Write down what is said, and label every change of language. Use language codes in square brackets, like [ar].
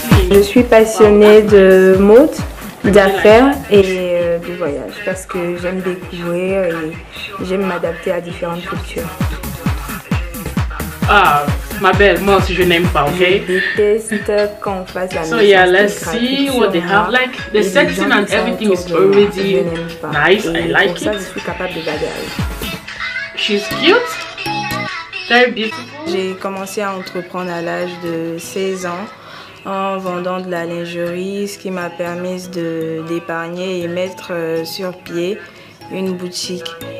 [fr] Je suis passionnée de mode, d'affaires et de voyage parce que j'aime découvrir et j'aime m'adapter à différentes cultures. Ah, ma belle, moi aussi je n'aime pas, ok? Je déteste qu'on fasse la même chose. [en] So yeah, let's see what they have. Like, the setting and everything is already nice, I like it. [fr] Pour ça, je suis capable de bagarrer. [en] She's cute, very beautiful. [fr] J'ai commencé à entreprendre à l'âge de 16 ans. En vendant de la lingerie, ce qui m'a permis d'épargner et mettre sur pied une boutique.